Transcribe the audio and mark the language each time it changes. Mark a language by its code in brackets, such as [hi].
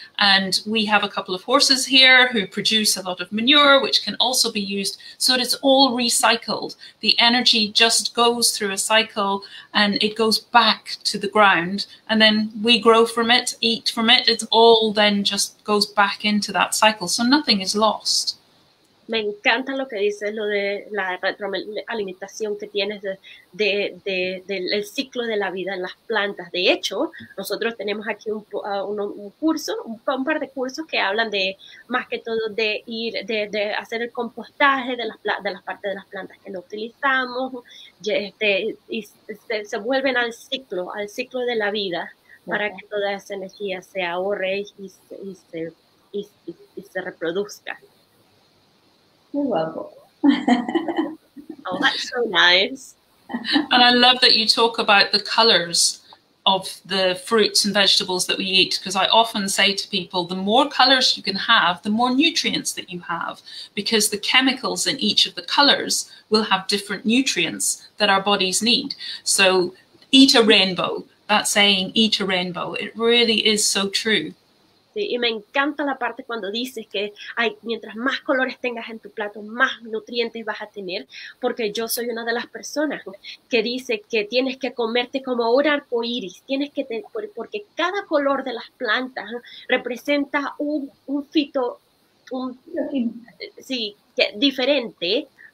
[en] And we have a couple of horses here who produce a lot of manure, which can also be used. So it's all recycled. The energy just goes through a cycle and it goes back to the ground. And then we grow from it, eat from it. It's all then just goes back into that cycle. So nothing is lost. [es] Me encanta lo que dices, lo de la retroalimentación que tienes del ciclo de la vida en las plantas. De hecho, nosotros tenemos aquí un par de cursos que hablan de más que todo de ir de hacer el compostaje de las partes de las plantas que no utilizamos y se vuelven al ciclo de la vida para que toda esa energía se ahorre y se reproduzca. Qué guapo. [en] Oh, that's so nice. And I love that you talk about the colors of the fruits and vegetables that we eat, because I often say to people, the more colors you can have, the more nutrients that you have, because the chemicals in each of the colors will have different nutrients that our bodies need. So eat a rainbow. That saying, eat a rainbow, it really is so true. [es] Sí, y me encanta la parte cuando dices que mientras más colores tengas en tu plato, más nutrientes vas a tener, porque yo soy una de las personas que dice que tienes que comerte como un arco iris, porque cada color de las plantas representa un fito, un, sí, diferente